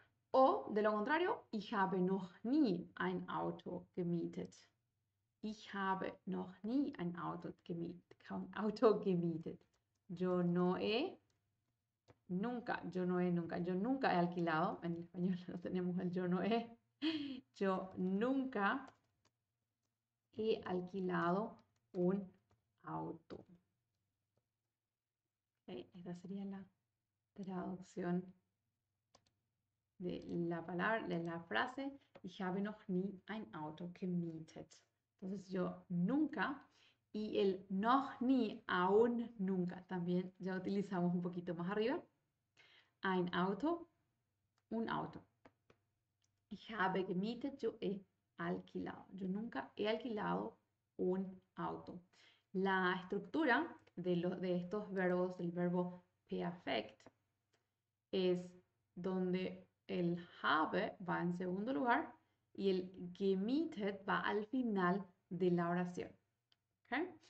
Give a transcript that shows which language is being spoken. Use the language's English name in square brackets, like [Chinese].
[Spanish] O, de lo contrario, [German] ich habe noch nie ein Auto gemietet. Ich habe noch nie ein Auto gemietet. [Spanish] Yo no he nunca, yo no he nunca, yo nunca he alquilado. En español no tenemos el yo no he. Yo nunca he alquilado un auto. Esta sería la traducción de la palabra, de la frase. [German] Ich habe noch nie ein Auto gemietet. [Spanish] Entonces, yo nunca. Y el noch nie, aún nunca. También ya utilizamos un poquito más arriba. Ein Auto, un auto. Ich habe gemietet, yo he alquilado. Yo nunca he alquilado un auto. La estructura de estos verbos, del verbo perfect, es donde el habe va en segundo lugar y el gemietet va al final de la oración. ¿Okay?